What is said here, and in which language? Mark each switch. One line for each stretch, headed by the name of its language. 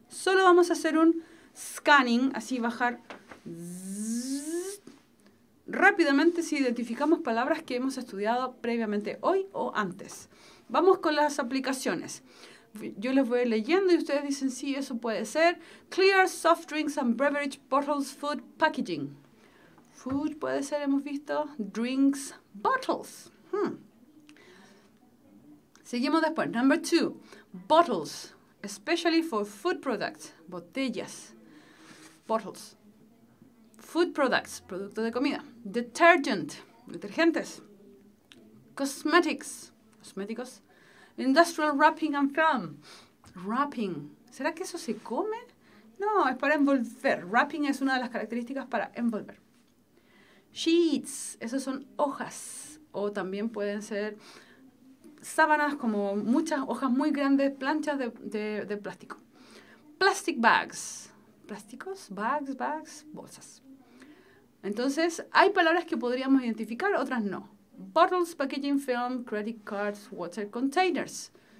Spanish: Solo vamos a hacer un scanning, así bajar rápidamente si identificamos palabras que hemos estudiado previamente hoy o antes. Vamos con las aplicaciones. Yo les voy leyendo y ustedes dicen, sí, eso puede ser.
English: Clear soft drinks and beverage bottles food packaging.
Spanish: Food puede ser, hemos visto.
English: Drinks bottles.
Spanish: Seguimos después.
English: Number two, bottles. Especially for food products,
Spanish: botellas,
English: bottles, food products,
Spanish: producto de comida,
English: detergent,
Spanish: detergentes,
English: cosmetics,
Spanish: cosméticos,
English: industrial wrapping and film, wrapping,
Spanish: ¿será que eso se come? No, es para envolver, wrapping es una de las características para envolver. Sheets, esas son hojas, o también pueden ser sábanas, como muchas hojas muy grandes, planchas de plástico.
English: Plastic bags.
Spanish: ¿Plásticos?
English: Bags,
Spanish: bolsas. Entonces, hay palabras que podríamos identificar, otras no.
English: Bottles, packaging film, credit cards, water containers.